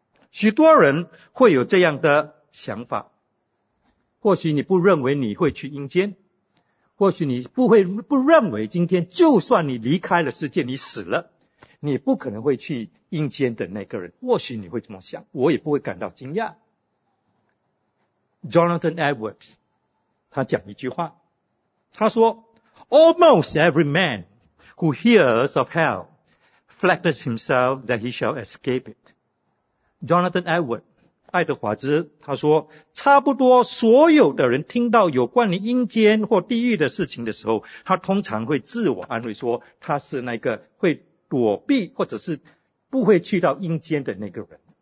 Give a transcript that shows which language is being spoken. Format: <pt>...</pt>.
<zh>许多人会有这样的想法，或许你不认为你会去阴间，或许你不认为今天就算你离开了世界，你死了，你不可能会去阴间的那个人，或许你会这么想，我也不会感到惊讶。</zh> <en>Jonathan Edwards</en> <zh>他讲一句话，他说</zh> <en>Almost every manWho hears of hell flatters himself that he shall escape it.</en> <zh>Jonathan Edwards, 爱德华兹，他说，差不多所有的人听到有关于阴间或地狱的事情的时候，他通常会自我安慰说，他是那个会躲避或者是不会去到阴间的那个人。</zh>